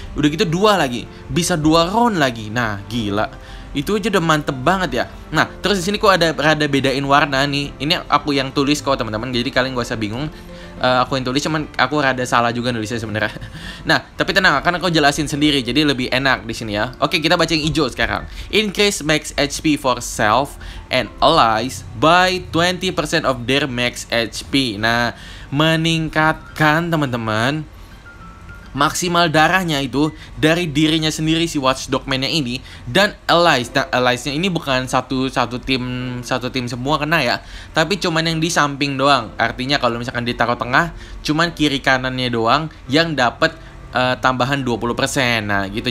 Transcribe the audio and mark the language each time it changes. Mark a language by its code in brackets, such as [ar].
[id] Udah gitu 2 lagi. Bisa 2 round lagi. Nah, gila. Itu aja udah mantep banget ya. Nah, terus di sini kok ada rada bedain warna nih. Ini aku yang tulis kok, teman-teman. Jadi kalian gak usah bingung. Aku yang tulis, cuman aku rada salah juga nulisnya sebenarnya. Nah, tapi tenang, akan aku jelasin sendiri. Jadi lebih enak di sini ya. Oke, kita baca yang hijau sekarang. [en] Increase max HP for self and allies by 20% of their max HP. [id] Nah, meningkatkan teman-teman maksimal darahnya itu dari dirinya sendiri, si Watchdog Man-nya ini, dan allies. Nah, allies-nya ini bukan satu tim semua kena ya, tapi cuman yang di samping doang. Artinya kalau misalkan ditaruh tengah, cuman kiri kanannya doang yang dapat tambahan 20%. Nah, gitu.